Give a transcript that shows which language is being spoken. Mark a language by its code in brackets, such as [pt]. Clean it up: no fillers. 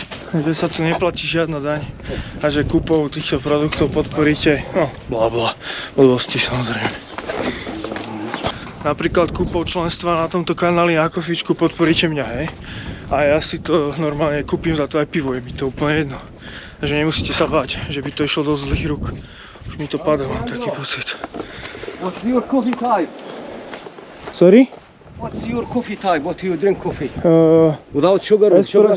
[sk] Že sa tu neplatí žiadna daň a že kúpou týchto produktov podporíte, no, blabla, odvosti samozrejme. Napríklad kúpou členstva na tomto kanáli na kofičku podporíte mňa, hej? A ja si to normálne kúpim za to aj pivo, je mi to úplne jedno. Takže nemusíte sa bať, že by to išlo do zlých rúk. Už mi to padá, mám taký pocit. [en] What's your coffee type? Sorry? What's your coffee type? What do you drink coffee? Without sugar, with sugar?